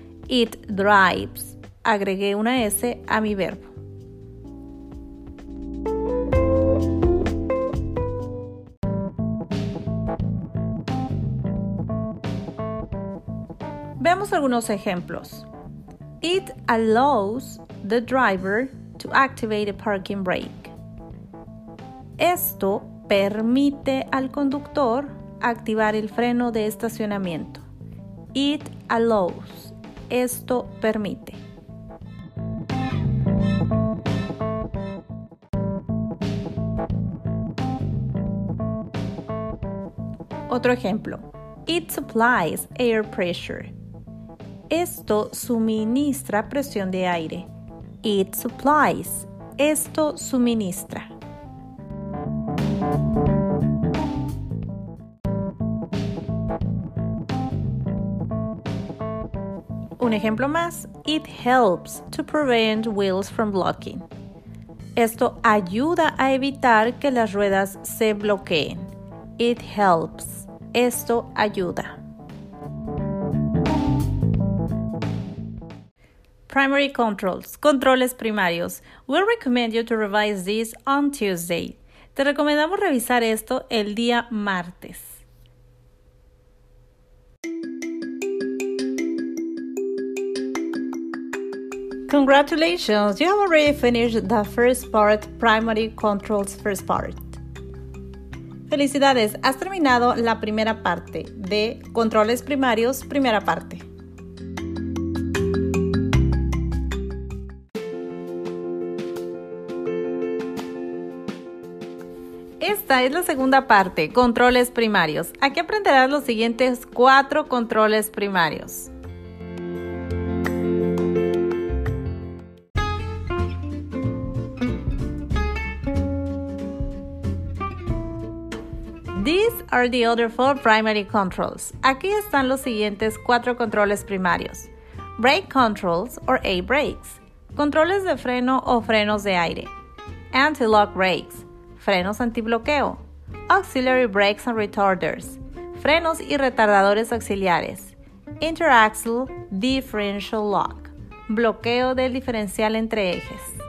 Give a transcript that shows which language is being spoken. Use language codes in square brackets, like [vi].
[en] It drives. [es] Agregué una S a mi verbo. Veamos algunos ejemplos. [en] It allows the driver to activate a parking brake. [es] Esto permite al conductor activar el freno de estacionamiento. [en] It allows. [es] Esto permite. Otro ejemplo. [en] It supplies air pressure. [es] Esto suministra presión de aire. [en] It supplies. [es] Esto suministra. Un ejemplo más, [en] it helps to prevent wheels from blocking. [es] Esto ayuda a evitar que las ruedas se bloqueen. [en] It helps. [es] Esto ayuda. [en] Primary controls, [es] controles primarios. [en] We recommend you to revise this on Tuesday. [es] Te recomendamos revisar esto el día martes. [en] Congratulations, you have already finished the first part, primary controls first part. [es] Felicidades, has terminado la primera parte de controles primarios, primera parte. es la segunda parte, controles primarios. Aquí aprenderás los siguientes 4 controles primarios. [en] These are the other 4 primary controls. [es] Aquí están los siguientes 4 controles primarios. [en] Brake controls or A-brakes. [es] Controles de freno o frenos de aire. [en] Anti-lock brakes. [es] Frenos antibloqueo. [en] Auxiliary brakes and retarders. [es] Frenos y retardadores auxiliares. [en] Interaxle differential lock. [es] Bloqueo del diferencial entre ejes.